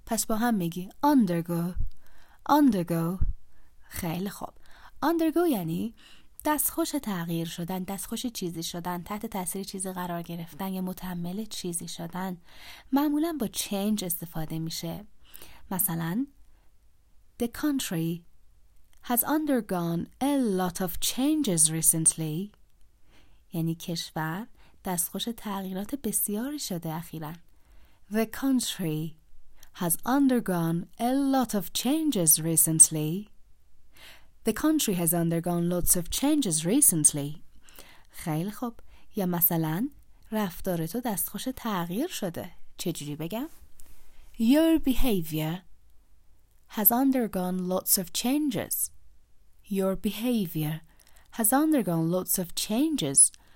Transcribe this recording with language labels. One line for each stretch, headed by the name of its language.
Persian: پس با هم میگی undergo. undergo. خیلی خوب. undergo یعنی دستخوش تغییر شدن، دستخوش چیزی شدن، تحت تاثیر چیزی قرار گرفتن یا متحمل چیزی شدن. معمولا با change استفاده میشه.
English: مثلا the country has undergone a lot of changes recently.
Persian: یعنی کشور دستخوش تغییرات بسیاری شده اخیراً.
English: The country has undergone a lot of changes recently. The country has undergone lots of changes recently.
Persian: خیلی خوب. یا مثلا رفتار تو دستخوش تغییر شده.
English: چجوری بگم؟ Your behavior has undergone lots of changes. Your behavior has undergone lots of changes.